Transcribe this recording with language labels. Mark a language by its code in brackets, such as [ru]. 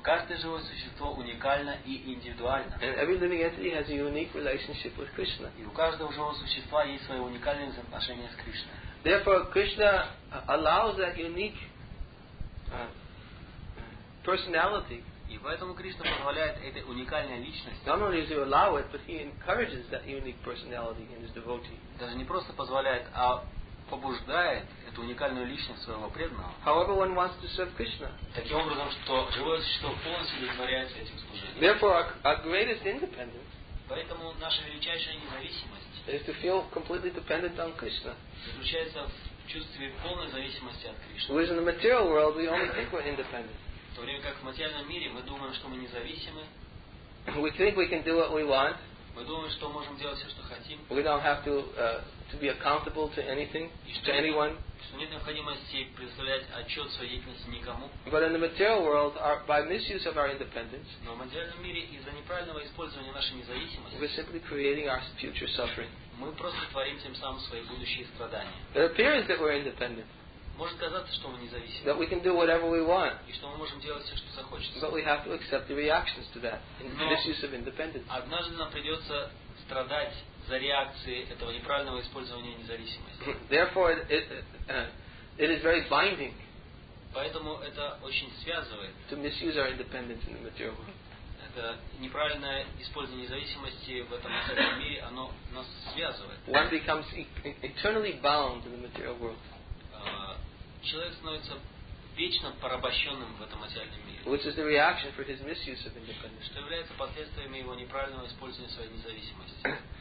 [ru] Каждое живое существо уникально и индивидуально. [en] And every living entity has a unique relationship with Krishna. [ru] И у каждого живого существа есть свое уникальное взаимоотношение с Кришной. [en] Therefore, Krishna allows that unique personality. [ru] И поэтому Кришна позволяет этой уникальной личности. [en] Not only does he allow it, but he encourages that unique personality in his devotee. [ru] Даже не просто позволяет, а побуждает эту уникальную личность своего преданного. [en] However, one wants to serve Krishna. [ru] Таким образом, что живое существо полностью удовлетворяется этим служением. [en] Therefore, our greatest independence. [ru] Поэтому наша величайшая независимость. [en] Is to feel completely dependent on Krishna. [ru] Заключается в чувстве полной зависимости от Кришны. [en] Whereas in the material world, we only think we're independent. [ru] В то время как в материальном мире мы думаем, что мы независимы. [en] We think we can do what we want. [ru] Мы думаем, что можем делать все, что хотим. [en] We don't have to be accountable to anything, to anyone. [ru] Что нет необходимости представлять отчет своей деятельности никому. [en] But in the material world, by misuse of our independence, [ru] но в материальном мире из-за неправильного использования нашей независимости, [en] we're simply creating our future suffering. [ru] Мы просто творим тем самым свои будущие страдания. [en] It appears that we're independent. [ru] Может казаться, что мы независимы. [en] That we can do whatever we want. [ru] И что мы можем делать все, что захочется. [en] But we have to accept the reactions to that, misuse of independence. [ru] Однажды нам придется страдать за реакции этого неправильного использования независимости. [en] Therefore, it is very binding. [ru] Поэтому это очень связывает. [en] To misuse our independence in the material world. [ru] Это неправильное использование независимости в этом материальном мире, оно нас связывает. [en] One becomes eternally bound in the material world. [ru] Человек становится вечно порабощенным в этом материальном мире. [en] Which is the reaction for his misuse of independence. [ru] Что является последствиями его неправильного использования своей независимости.